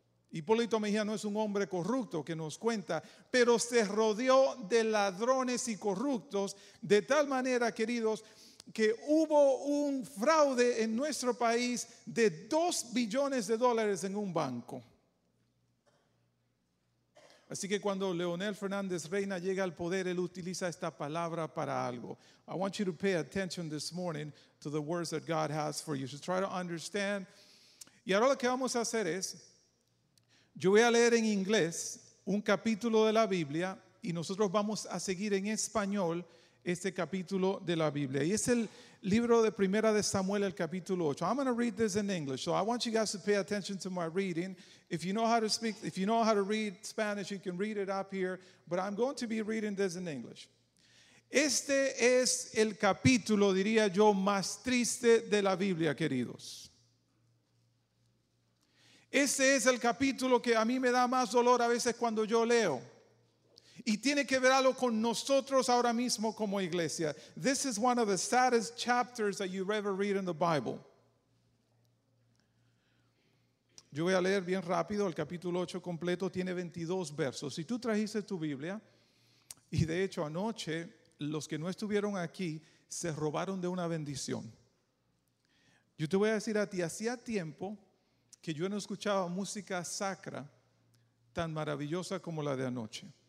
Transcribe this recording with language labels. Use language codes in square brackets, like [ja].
[es] Hipólito Mejía no es un hombre corrupto que nos cuenta, pero se rodeó de ladrones y corruptos de tal manera, queridos, que hubo un fraude en nuestro país de $2 billones en un banco. Así que cuando Leonel Fernández Reina llega al poder, él utiliza esta palabra para algo. [en] I want you to pay attention this morning to the words that God has for you. So try to understand. [es] Y ahora lo que vamos a hacer es, yo voy a leer en inglés un capítulo de la Biblia y nosotros vamos a seguir en español este capítulo de la Biblia. Y es el libro de Primera de Samuel, el capítulo 8. [en] I'm going to read this in English, so I want you guys to pay attention to my reading. If you know how to speak, if you know how to read Spanish, you can read it up here, but I'm going to be reading this in English. [es] Este es el capítulo, diría yo, más triste de la Biblia, queridos. Ese es el capítulo que a mí me da más dolor a veces cuando yo leo. Y tiene que ver algo con nosotros ahora mismo como iglesia. [en] This is one of the saddest chapters that you've ever read in the Bible. [es] Yo voy a leer bien rápido el capítulo 8 completo. Tiene 22 versos. Si tú trajiste tu Biblia, y de hecho anoche los que no estuvieron aquí se robaron de una bendición. Yo te voy a decir a ti, hacía tiempo que yo no escuchaba música sacra tan maravillosa como la de anoche.